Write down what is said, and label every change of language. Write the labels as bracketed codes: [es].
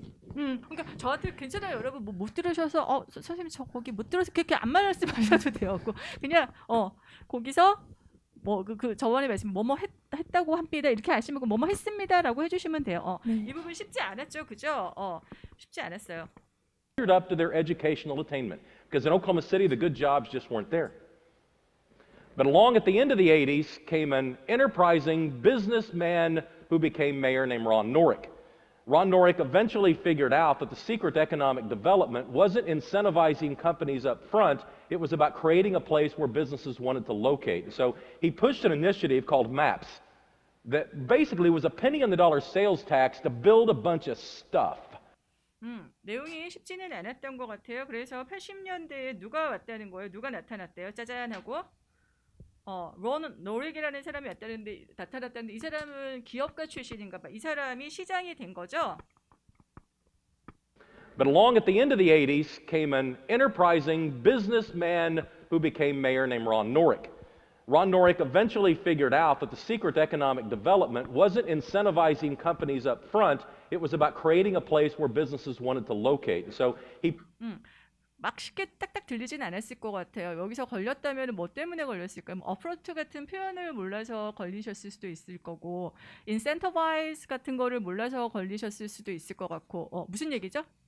[ko] 그러니까 저한테 괜찮아요, 여러분. 뭐 못 들으셔서 선생님 저 거기 못 들어서 그렇게 안 말씀하셔도 돼요. 그냥 거기서 뭐 그 저번에 말씀 뭐뭐 했다고 합니다 이렇게 아시면 뭐뭐 했습니다라고 해주시면 돼요. 이 부분 쉽지 않았죠, 그죠? 쉽지 않았어요. [en] Measured up to their educational attainment, because in Oklahoma City the good jobs just weren't there. But along at the end of the 80s came an enterprising businessman who became mayor named Ron Norick. Ron Norick eventually figured out that the secret to economic development wasn't incentivizing companies up front, it was about creating a place where businesses wanted to locate. So he pushed an initiative called MAPS that basically was a penny on the dollar sales tax to build a bunch of stuff. [ko] 내용이 쉽지는 않았던 것 같아요. 그래서 80년대에 누가 왔다는 거예요? 누가 나타났대요? 짜잔 하고. 론 노릭이라는 사람이 왔다는데 나타났다는데 이 사람은 기업가 출신인가 봐. 이 사람이 시장이 된 거죠? [en] But along at the end of the 80s came an enterprising businessman who became mayor named Ron Norick. Ron Norick eventually figured out that the secret to economic development wasn't incentivizing companies up front, it was about creating a place where businesses wanted to locate. So he [ko] 막 쉽게 딱딱 들리진 않았을 것 같아요. 여기서 걸렸다면 뭐 때문에 걸렸을까요? 뭐 어프론트 같은 표현을 몰라서 걸리셨을 수도 있을 거고 인센터바이즈 같은 거를 몰라서 걸리셨을 수도 있을 것 같고 무슨 얘기죠?